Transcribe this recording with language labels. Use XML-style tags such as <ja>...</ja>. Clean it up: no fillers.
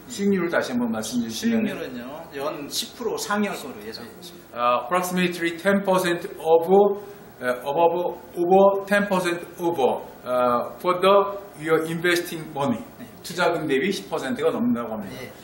<ko>수익률을 다시 한번 말씀해 주시면 수익률은요 연 10% 상회할 거로 예상합니다.</ko> <en>Approximately 10% of over 10% over for the your investing money.</en> <ko>네. 투자금 대비 10%가 넘는다고 합니다.</ko>